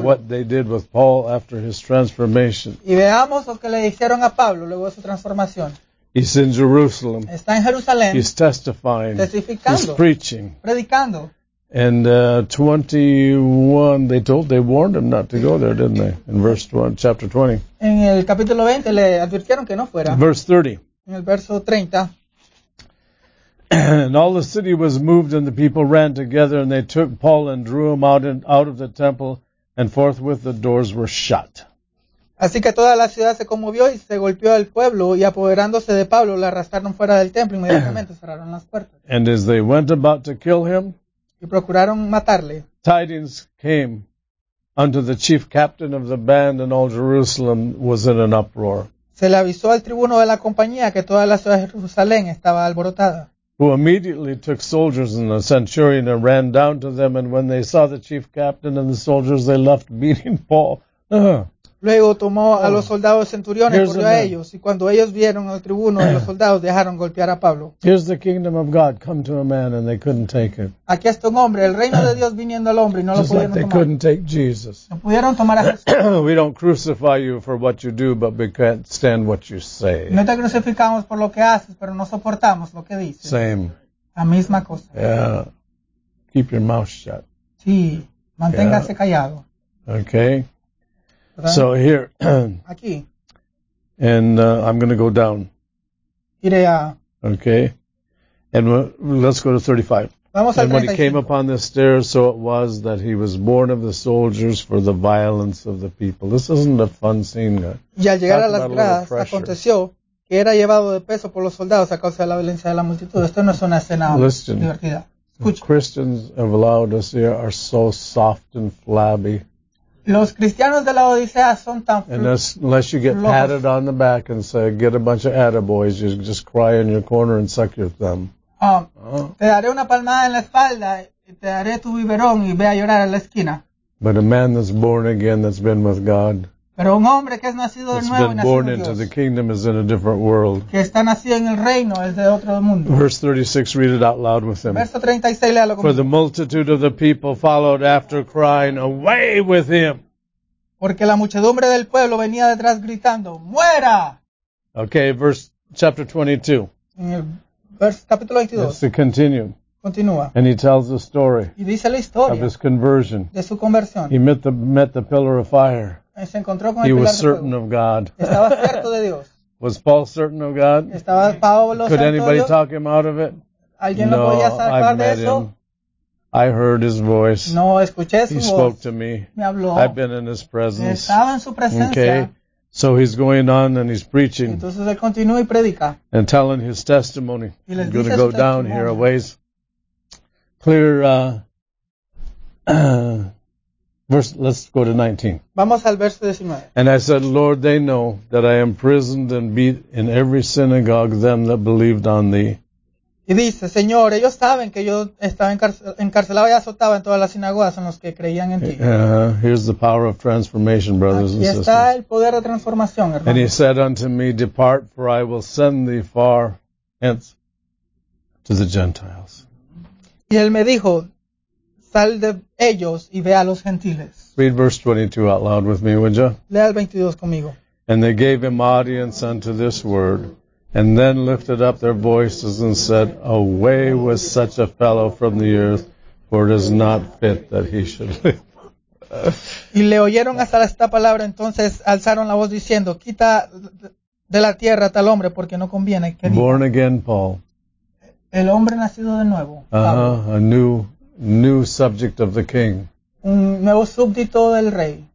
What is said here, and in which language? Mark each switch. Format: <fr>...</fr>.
<en>What they did with Paul after his transformation.</en> <es>Y veamos lo que le hicieron a Pablo luego de su transformación.</es> <en>He's in Jerusalem.</en> <es>Está en Jerusalén.</es> <en>He's testifying.</en> <es>Testificando.</es> <en>He's preaching.</en> <es>Predicando.</es> <en>And 21, they told, they warned him not to go there, didn't they? In verse 1, chapter 20.</en> <es>En el capítulo 20 le advirtieron que no fuera.</es> <en>Verse 30.</en> <es>En el verso 30.</es> <en>And all the city was moved, and the people ran together, and they took Paul and drew him out of the temple, and forthwith the doors were shut.</en> <es>Así que toda la ciudad se conmovió y se golpeó al pueblo, y apoderándose de Pablo, le arrastraron fuera del templo, inmediatamente cerraron las puertas.</es> <en>And as they went about to kill him,</en> <es>y procuraron matarle,</es> <en>tidings came unto the chief captain of the band, and all Jerusalem was in an uproar.</en> <es>Se le avisó al tribuno de la compañía que toda la ciudad de Jerusalén estaba alborotada.</es> <en>Who immediately took soldiers and a centurion and ran down to them, and when they saw the chief captain and the soldiers, they left beating Paul.</en> <es>Luego tomó a los soldados centuriones, corrió a ellos, y cuando ellos vieron al tribuno, los soldados dejaron golpear a Pablo.</es> <en>Here's the kingdom of God come to a man and they couldn't take it.</en> <es>Aquí está un hombre, el reino de Dios viniendo al hombre y no lo pudieron tomar.</es> <en>They couldn't take Jesus.</en> <es>No pudieron tomar a Jesús.</es> <en>We don't crucify you for what you do, but we can't stand what you say.</en> <es>No te crucificamos por lo que haces, pero no soportamos lo que dices.</es> <en>Same.</en> <es>La misma cosa.</es> <en>Yeah. Keep your mouth shut.</en> <es>Sí. Manténgase callado.</es> <en>Okay. So here,</en> <es>aquí.</es> <en>And I'm going to go down.</en> <es>Iré a,</es> <en>okay. And let's go to 35.</en> <es>Vamos al 35.</es> <en>And when he came upon the stairs, so it was that he was born of the soldiers for the violence of the people. This isn't a fun scene.</en> <es>Y al llegar a las gradas, aconteció que era llevado de peso por los soldados a causa de la violencia de la multitud. Esto no es una escena divertida. Escucha.</es> <en>Christians of Laodicea are so soft and flabby.</en> <es>Los cristianos de la Odisea son tan</es> <en>unless you get</en> <es>flojos.</es> <en>Patted on the back and say, get a bunch of attaboys, you just cry in your corner and suck your thumb.</en> <es>Te daré una palmada en la espalda, y te daré tu biberón y ve a llorar a la esquina.</es> <en>But a man that's born again, that's been with God,</en> <es>pero un hombre que es nacido de nuevo y nacido</es> <en>born</en> <es>Dios,</es> <en>into the kingdom is in a different world.</en> <es>Que está nacido en el reino, es de otro mundo.</es> <en>Verse 36, read it out loud with him.</en> <es>Verso 36, léalo conmigo.</es> <en>For the multitude of the people followed after crying, away with him.</en> <es>Porque la muchedumbre del pueblo venía detrás gritando, muera.</es> <en>Okay, verse, chapter 22.</en> <es>Capítulo 22.</es> <en>Let's continue.</en> <es>Continúa.</es> <en>And he tells the story.</en> <es>Y dice la historia.</es> <en>Of his conversion.</en> <es>De su conversión.</es> <en>He met the pillar of fire.</en> <es>Se encontró con</es> <en>he</en> <es>el</es> <en>was certain of God.</en> <es>Estaba cierto de Dios.</es> <en>Was Paul certain of God?</en> <es>Estaba Pablo</es> <en>could anybody talk him out of it?</en> <es>¿Alguien no, lo podía</es> <en>I've met</en> <es>de eso?</es> <en>Him. I heard his voice.</en> <es>No, escuché su</es> <en>he</en> <es>voz.</es> <en>Spoke to me.</en> <es>Me habló.</es> <en>I've been in his presence.</en> <es>Estaba en su presencia.</es> <en>Okay. So he's going on and he's preaching.</en> <es>Entonces él continúa y predica.</es> <en>And telling his testimony.</en> <es>Y les</es> <en>I'm going to go testimony. Down here a ways. Clear, verse, let's go to 19.</en> <es>Vamos al verso 19.</es> <en>And I said, Lord, they know that I imprisoned and beat in every synagogue them that believed on thee.</en> <es>Y dice, Señor, ellos saben que yo estaba encarcelado y azotado en todas las sinagogas en los que creían en ti.</es> <en>Here's the power of transformation, brothers and sisters.</en> <es>Aquí está el poder de transformación, hermanos.</es> <en>And he said unto me, depart, for I will send thee far hence to the Gentiles.</en> <es>Y él me dijo, sal de ellos y ve a los gentiles.</es> <en>Read verse 22 out loud with me, would you?</en> <es>Lea el 22 conmigo.</es> <en>And they gave him audience unto this word, and then lifted up their voices and said, away with such a fellow from the earth, for it is not fit that he should live.</en> <es>Y le oyeron hasta esta palabra, entonces alzaron la voz diciendo, quita de la tierra tal hombre, porque no conviene.</es> <en>Born again, Paul.</en> <es>El hombre nacido de nuevo.</es> <en>A new subject of the king.</en> <es>Un nuevo súbdito del rey.</es>